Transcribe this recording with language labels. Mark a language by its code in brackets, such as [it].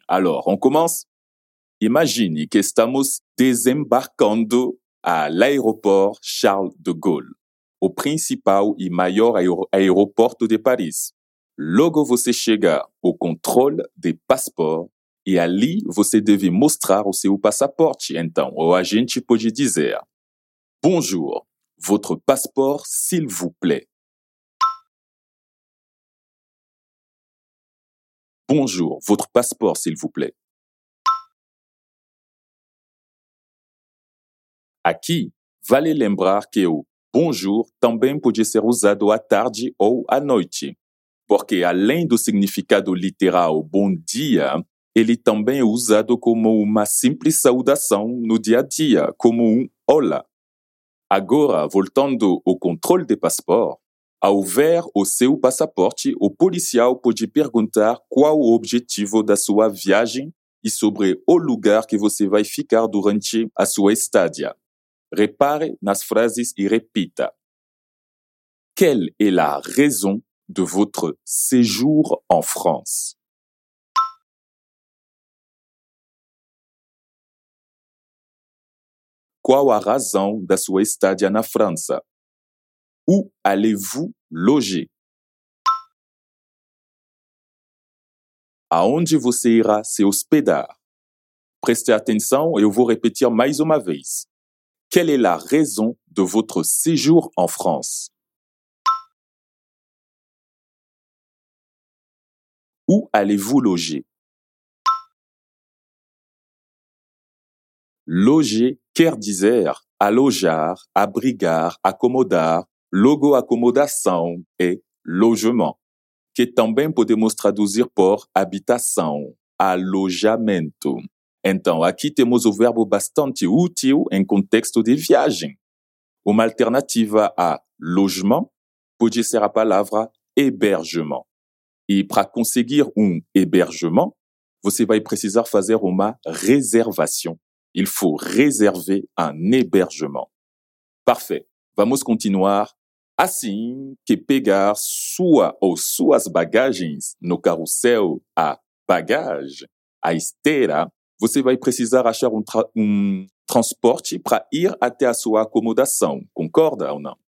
[fr] Alors, on commence? [pt] Imagine que estamos desembarcando [fr] à l'aéroport [pt] Charles de Gaulle, o principal e maior aeroporto de Paris. Logo você chega ao controle de passeport e ali você deve mostrar o seu passaporte. Então, o agente pode dizer: [fr] Bonjour, votre passeport, s'il vous plaît. Bonjour, votre passeport, s'il vous plaît. [pt] Aqui, vale lembrar que o bonjour também pode ser usado à tarde ou à noite, porque além do significado literal bom dia, ele também é usado como uma simples saudação no dia a dia, como um hola. Agora, voltando ao controle de passaport, ao ver o seu passaporte, o policial pode perguntar qual o objetivo da sua viagem e sobre o lugar que você vai ficar durante a sua estadia. Repare nas frases e repita. [fr] Quelle est la raison de votre séjour en France? [pt] Qual a razão da sua estadia na França? [fr] Où allez-vous loger? [pt] Aonde você irá se hospedar? Preste atenção, eu vou repetir mais uma vez. [fr] Quelle est la raison de votre séjour en France? Où allez-vous loger? [pt] Loger quer dizer alojar, abrigar, acomodar, logo acomodação e logement, que também podemos traduzir por habitação, alojamento. Então, aqui temos o verbo bastante útil em contexto de viagem. Uma alternativa a logement pode ser a palavra hébergement. E para conseguir um hébergement, você vai precisar fazer uma reservação. [fr] Il faut réserver un hébergement. [pt] Parfait. Vamos continuar. Assim que pegar sua ou suas bagagens no carrossel à bagagem, à esteira, você vai precisar achar um transporte para ir até a sua acomodação. Concorda ou não?